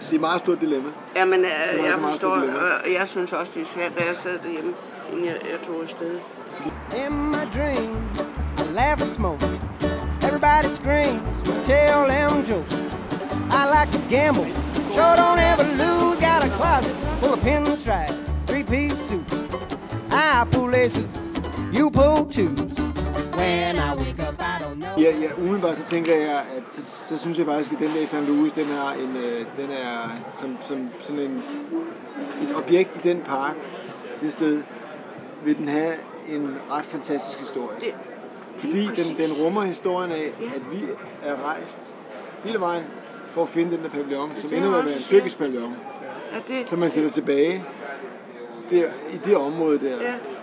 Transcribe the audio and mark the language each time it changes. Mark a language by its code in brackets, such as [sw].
[da] Det er et meget stort dilemma. Jamen jeg forstår, og jeg synes også, det er svært, da jeg sad derhjemme, inden jeg tog afsted. [en] In my dream, I laugh and smoke. Everybody screams, tell them jokes. I like to gamble, sure don't ever lose. Got a closet full of pinstripes, three-piece suits. I pull aces, you pull twos. When I wake up, I don't know. [da] Ja, umiddelbart så tænker jeg, at så synes jeg faktisk, at den der St. Louis, den er en, den er som sådan en et objekt i den park, det sted, vil den have en ret fantastisk historie. Fordi den rummer historien af, at vi er rejst hele vejen for at finde den der pavillon, som ender med at være en tyrkisk pavillon, som man sætter tilbage der, i det område der. Ja.